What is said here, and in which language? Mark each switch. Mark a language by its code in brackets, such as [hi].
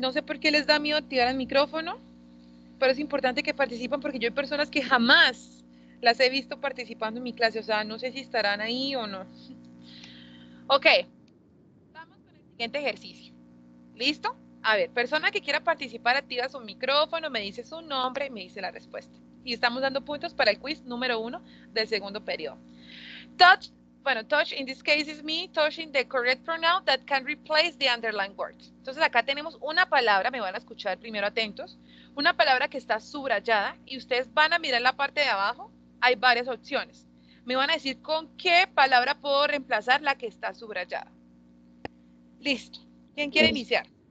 [es] No sé por qué les da miedo activar el micrófono, pero es importante que participen porque yo hay personas que jamás las he visto participando en mi clase. O sea, no sé si estarán ahí o no. Ok. Vamos con el siguiente ejercicio. ¿Listo? A ver, persona que quiera participar, activa su micrófono, me dice su nombre y me dice la respuesta. Y estamos dando puntos para el quiz número 1 del segundo periodo. [en] Touch in this case is me touching the correct pronoun that can replace the underlined words. [es] Entonces acá tenemos una palabra, me van a escuchar primero atentos, una palabra que está subrayada y ustedes van a mirar la parte de abajo, hay varias opciones. Me van a decir con qué palabra puedo reemplazar la que está subrayada. Listo. ¿Quién quiere iniciar?